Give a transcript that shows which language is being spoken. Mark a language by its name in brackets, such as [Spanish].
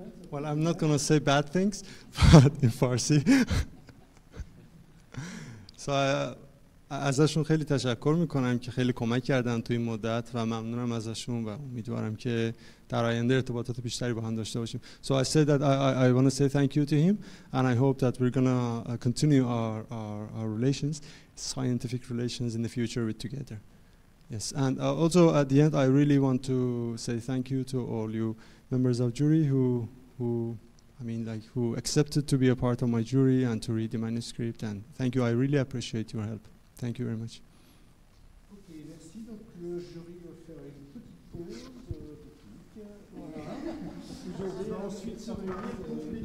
[English] Well, I'm not going to say bad things, but in Farsi. [Persian] So ازشون خیلی تشکر میکنم که خیلی کمک کردن توی این مدت و ممنونم ازشون و امیدوارم که در آینده ارتباطات بیشتری با هم داشته باشیم. [English] So I said that I want to say thank you to him and I hope that we're going to continue our relations, scientific relations in the future with together. Yes, and also at the end I really want to say thank you to all you members of jury who accepted to be a part of my jury and to read the manuscript, and thank you, I really appreciate your help. Thank you very much. [French] Okay, merci. Donc le jury va faire une petite pause technique. Voilà. Je vais ensuite se réunir.